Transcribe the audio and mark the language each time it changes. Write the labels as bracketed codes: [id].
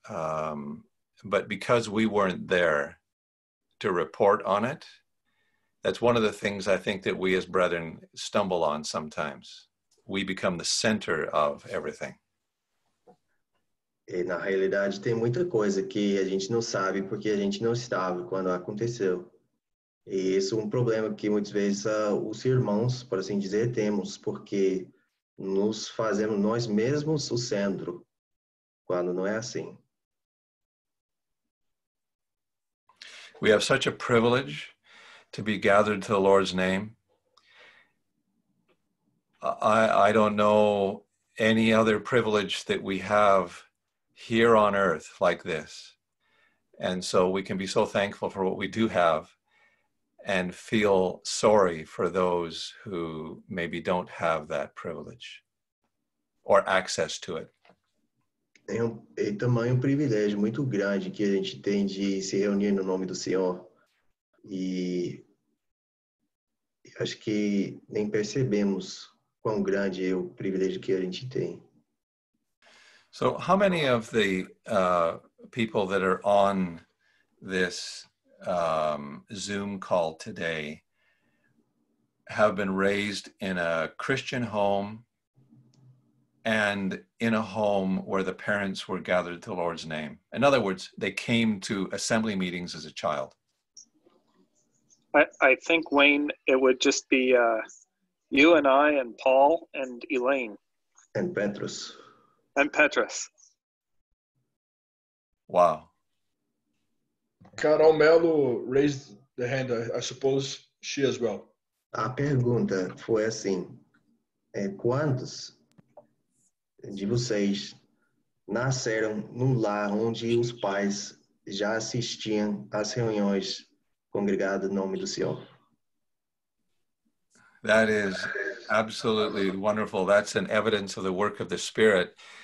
[en] But because we weren't there to report on it, that's one of the things I think that we as brethren stumble on sometimes. We become the center of everything. [pt] E na realidade tem muita coisa que a gente não sabe porque a gente não estava quando aconteceu. E isso é um problema que muitas vezes os irmãos, por assim dizer, temos, porque nos fazemos nós mesmos o centro, quando não é assim. [en] We have such a privilege to be gathered to the Lord's name. I don't know any other privilege that we have here on earth like this. And so we can be so thankful for what we do have and feel sorry for those who maybe don't have that privilege or access to it. [pt] É também um privilégio muito grande que a gente tem de se reunir no nome do Senhor. E acho que nem percebemos quão grande é o privilégio que a gente tem. [en] So how many of the people that are on this Zoom call today have been raised in a Christian home and in a home where the parents were gathered to the Lord's name? In other words, they came to assembly meetings as a child. I think, Wayne, it would just be you and I and Paul and Elaine. And Petrus. And Petrus. Wow. Carol Melo raised the hand. I suppose she as well. [pt] A pergunta foi assim. Quantos de vocês nasceram num lar onde os pais já assistiam às reuniões congregadas no nome do Senhor? [en] That is absolutely wonderful. That's an evidence of the work of the Spirit.